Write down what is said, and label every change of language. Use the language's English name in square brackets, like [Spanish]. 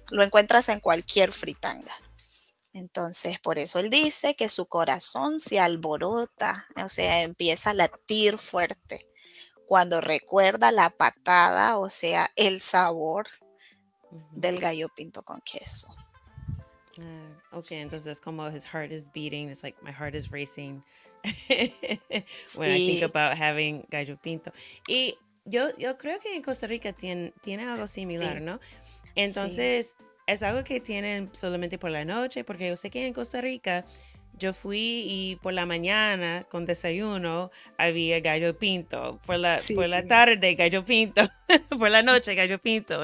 [Spanish] Lo encuentras en cualquier fritanga. Entonces, por eso él dice que su corazón se alborota, o sea, empieza a latir fuerte cuando recuerda la patada, o sea, el sabor del gallo pinto con queso. [English] Okay, [Spanish] entonces como [English] his heart is beating, it's like my heart is racing when I think about having gallo pinto. [Spanish] Y yo creo que en Costa Rica tiene algo similar, sí. ¿No? Entonces, sí. Es algo que tienen solamente por la noche, porque yo sé que en Costa Rica yo fui y por la mañana con desayuno había gallo pinto, por la tarde gallo pinto, por la noche gallo pinto.